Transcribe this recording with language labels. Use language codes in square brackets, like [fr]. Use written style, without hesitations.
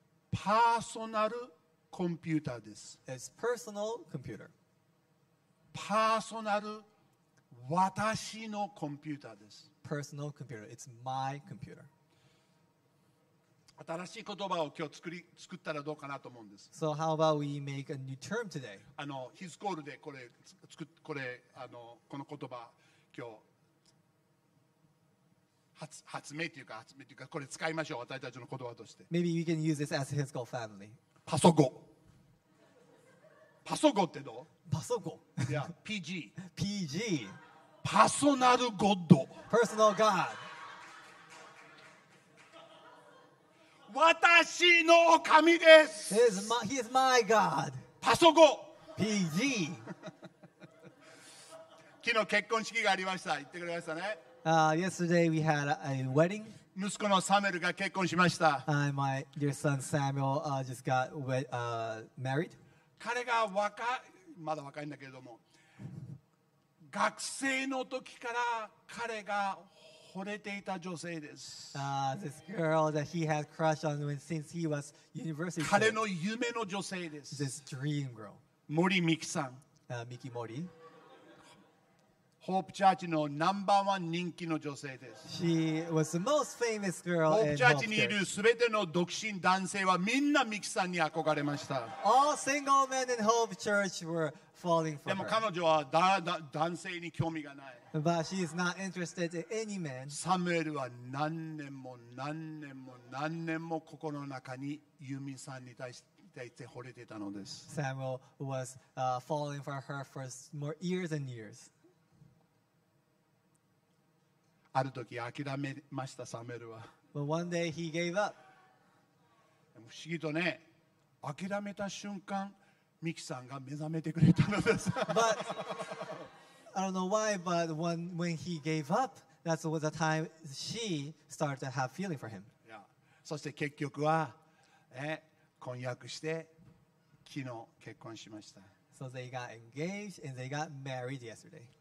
[ja] パーソナルコンピューターです。 [en] It's personal computer. [ja] Personal, 私のコンピューターです。 [en] Personal computer. It's my computer. [ja] 新しい言葉を今日作ったらどうかなと思うんです。 [en] So how about we make a new term today? [ja] あの、His Call でこれ、これ、あの、この言葉、今日。発明というかこれ使いましょう私たちの言葉として。 [en] Maybe we can use this as his call family. [ja] パソコン。パソコンってどう？パソコン。いや、PG。 PG。パーソナルゴッド。 [en] Personal God。 [ja] 私の神です。 [en] He is my God。 [ja] パソコン。 PG。昨日結婚式がありました。言ってくれましたね。 [en] Yesterday we had a wedding. [ja] 息子のサメルが結婚しました。 [en] My dear son Samuel just got married. [ja] 彼が若まだ若いんだけれども、学生の時から彼が惚れていた女性です。 [en] This girl that he had crush on when, since he was university. [ja] 彼の夢の女性です。 [en] This dream girl. [ja] 森美希さん。 [en] Miki Mori. [ja] ホープチャーチのナンバーワン人気の女性です。 [en] She was the most famous girl. [ja] ホープチャーチにいるすべての独身男性はみんなミキさんに憧れました。 [en] All single men in Hope Church were falling for [ja] her. でも彼女は男性に興味がない。 [en] But she is not interested in any man. [ja] サムエルは何年も何年も何年も心の中にユミさんに対して。惚れてたのです。 [en] Samuel was falling for her for more years and years. [ja] ある時諦めましたサムエルは。 [en] But one day he gave up. [ja] 不思議とね、諦めた瞬間ミキさんが目覚めてくれたのです。 [en] But I don't know why, but when he gave up, that's the time she started to have feeling for him. [ja] そして結局は、婚約して昨日結婚しました。 [en] So they got engaged and they got married yesterday.